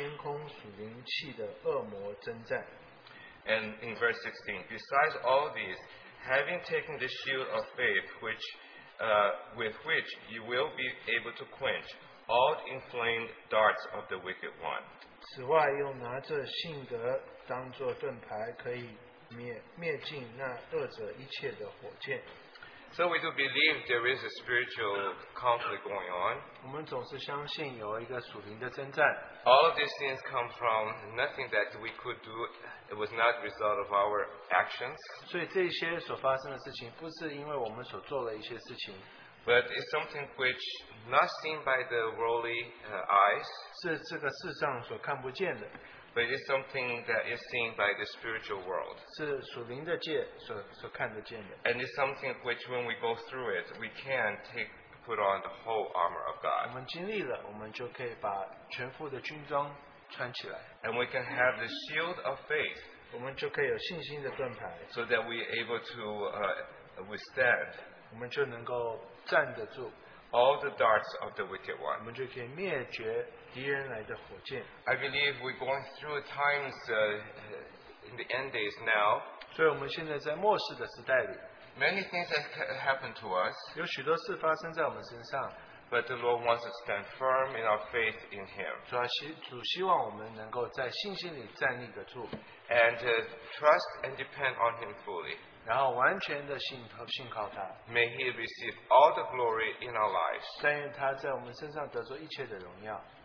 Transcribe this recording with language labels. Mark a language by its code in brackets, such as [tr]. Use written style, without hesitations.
[zh] 要穿戴神的全副军装，就能抵挡魔鬼的诡计。因我们并不是与血、属血气的征战，乃是与那些执政的、掌权的、管辖这幽暗世界的，以及天空属灵气的恶魔征战。 [en] And in verse 16, besides all these, having taken the shield of faith, which with which you will be able to quench all the inflamed darts of the wicked one. [zh] 此外，又拿着信德当作盾牌，可以灭尽那恶者一切的火箭。 [en] So we do believe there is a spiritual conflict going on. [zh] 我们总是相信有一个属灵的征战。 [en] All of these things come from nothing that we could do. It was not a result of our actions. [zh] 所以这些所发生的事情，不是因为我们所做了一些事情。 [en] But it's something which not seen by the worldly eyes. [zh] 是这个世上所看不见的。 [en] But it's something that is seen by the spiritual world. [zh] 是属灵的界所看得见的。 [en] And it's something which when we go through it, we can take put on the whole armor of God. [zh] 我们经历了，我们就可以把全副的军装穿起来。 [en] And we can have the shield of faith. [zh] 我们就可以有信心的盾牌。 [en] So that we are able to withstand. [zh] 我们就能够站得住。 [en] All the darts of the wicked one. [zh] 我们就可以灭绝敌人来的火箭。 [en] I believe we're going through times in the end days now. [zh] 所以我们现在在末世的时代里。 [en] Many things have happened to us. [zh] 有许多事发生在我们身上。 [en] But the Lord wants to stand firm in our faith in Him. [zh] 主希望我们能够在信心里站立得住。 [en] And trust and depend on Him fully. [zh] 然后完全的信靠他。 [en] May He receive all the glory in our lives. [zh] 但愿他在我们身上得着一切的荣耀。